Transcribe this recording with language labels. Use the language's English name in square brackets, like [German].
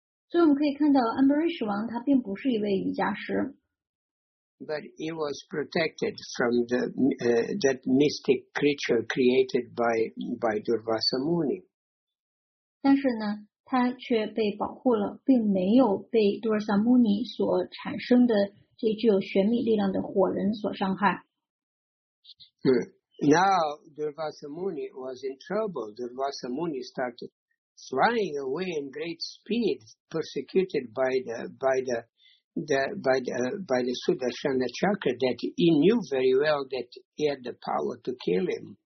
[English] But he was protected from the that mystic creature created by Durvasa Muni. [Chinese] 但是呢，他却被保护了，并没有被多尔萨穆尼所产生的这具有玄秘力量的火人所伤害。 [English] Now Durvasa Muni was in trouble. Durvasa Muni started flying away in great speed, persecuted by the Sudarshana Chakra that he knew very well that he had the power to kill him.